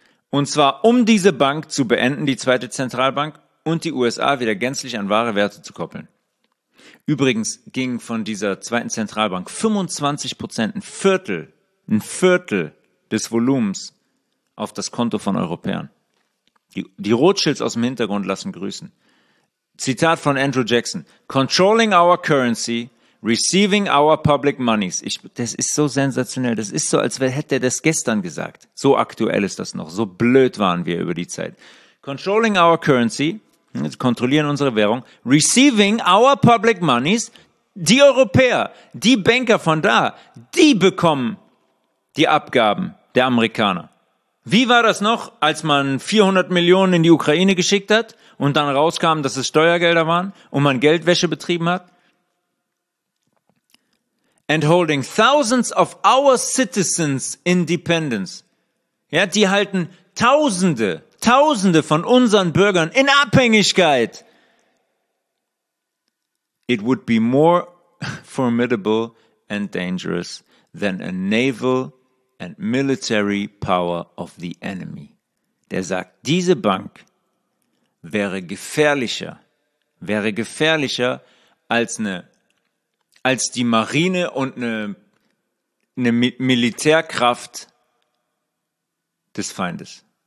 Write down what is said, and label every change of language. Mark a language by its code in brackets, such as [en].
[de] Und zwar, um diese Bank zu beenden, die zweite Zentralbank, und die USA wieder gänzlich an wahre Werte zu koppeln. Übrigens gingen von dieser zweiten Zentralbank 25%, ein Viertel des Volumens auf das Konto von Europäern. Die Rothschilds aus dem Hintergrund lassen grüßen. Zitat von Andrew Jackson. [en] Controlling our currency, receiving our public monies. [de] Das ist so sensationell. Das ist so, als hätte er das gestern gesagt. So aktuell ist das noch. So blöd waren wir über die Zeit. [en] Controlling our currency, [de] kontrollieren unsere Währung, [en] receiving our public monies, [de] die Europäer, die Banker von da, die bekommen die Abgaben der Amerikaner. Wie war das noch, als man 400 Millionen in die Ukraine geschickt hat und dann rauskam, dass es Steuergelder waren und man Geldwäsche betrieben hat? [en] And holding thousands of our citizens in dependence. [de] Ja, die halten Tausende von unseren Bürgern in Abhängigkeit. [en] It would be more formidable and dangerous than a naval and military power of the enemy. [de] Der sagt, diese Bank wäre gefährlicher als die Marine und eine Militärkraft des Feindes.